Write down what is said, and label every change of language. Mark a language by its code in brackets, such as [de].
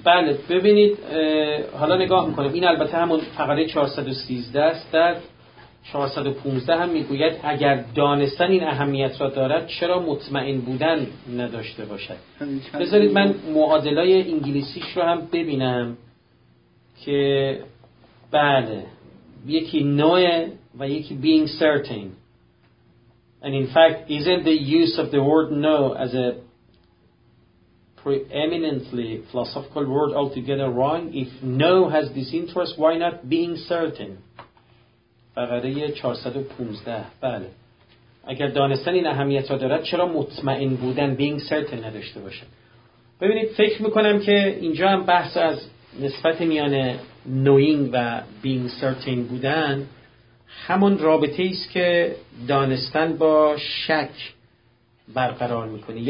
[fa] بله ببینید حالا نگاه میکنم، این البته همون فقره 413 است، در 415 هم میگوید اگر دانستن این اهمیت را دارد چرا مطمئن بودن نداشته باشد. بذارید من معادلای انگلیسیش رو هم ببینم که بله یکی نوه و یکی being certain. [en] And in fact, isn't the use of the word know as a preeminently philosophical word altogether wrong? If know has this interest, why not being certain? [fa] فقره 415. بله. اگر دانستن این اهمیت را دارد، چرا مطمئن بودن being certain نداشته باشد؟ ببینید، فکر میکنم که اینجا هم بحث از نسبت میان knowing و being certain بودن همون رابطه ای است که دانستن با شک برقرار میکنه.